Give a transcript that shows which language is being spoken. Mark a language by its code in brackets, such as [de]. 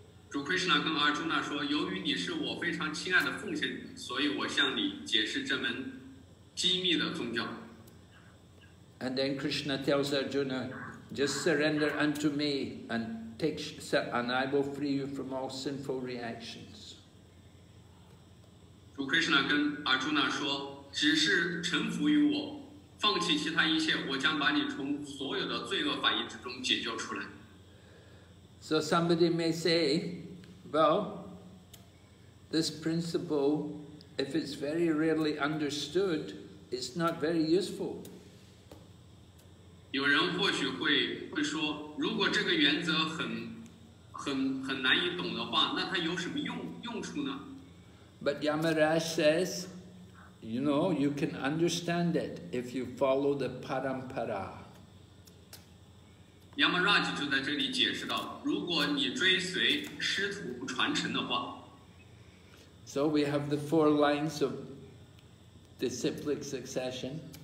[zh] 主 Krishna 跟阿朱那说，由于你是我非常亲爱的奉献，所以我向你解释这门机密的宗教。 [en] And then Krishna tells Arjuna, just surrender unto me and I will free you from all sinful reactions. [zh] 主 Krishna 跟阿朱那说，只是臣服于我，放弃其他一切，我将把你从所有的罪恶反应之中解救出来。 [en] So somebody may say, well, This principle, if it's very rarely understood, it's not very useful. [zh] 有人或许会说，如果这个原则很难以懂的话，那它有什么用处呢？ [en] But Yamaraj says, you know, you can understand it if you follow the parampara. [zh] Yamaraj 就在这里解释到，如果你追随师徒传承的话。 [en] So we have the four lines of disciplic succession.